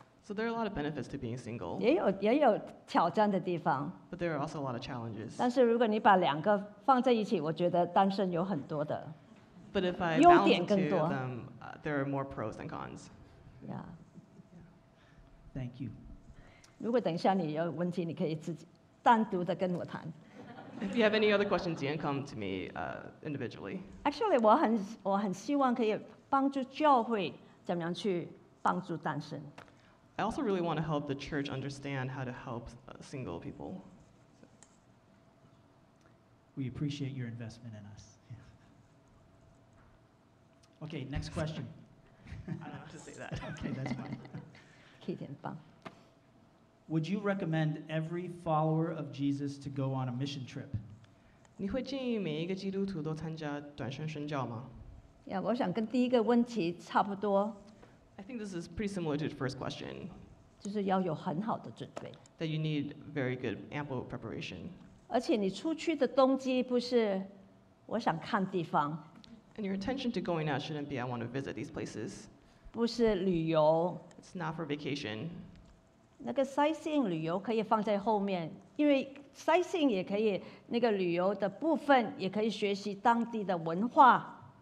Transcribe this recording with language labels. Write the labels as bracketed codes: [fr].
[en] So there are a lot of benefits to being single. [zh] 也有挑战的地方。 [en] But there are also a lot of challenges. [zh] 但是如果你把两个放在一起，我觉得单身有很多的。 [en] But if I balance the two of them, there are more pros than cons. Yeah. Thank you. [zh] 如果等一下你有问题，你可以自己单独的跟我谈。 [en] If you have any other questions, you can come to me individually. Actually, [zh] 我很希望可以帮助教会怎么样去帮助单身。 [en] I also really want to help the church understand how to help single people. We appreciate your investment in us. Okay, next question. I don't have to say that. Okay, that's fine. [zh] 可以点帮。 [en] Would you recommend every follower of Jesus to go on a mission trip? [zh] 你会建议每一个基督徒都参加短宣宣教吗？ Yeah, 我想跟第一个问题差不多。 [en] I think this is pretty similar to the first question. [zh] 就是要有很好的准备。 [en] That you need very good, ample preparation. [zh] 而且你出去的动机不是我想看地方。 [en] And your intention to going out shouldn't be I want to visit these places. [zh] 不是旅游。 [en] It's not for vacation. [zh] 那个 sightseeing 旅游可以放在后面，因为 sightseeing 也可以，那个旅游的部分也可以学习当地的文化。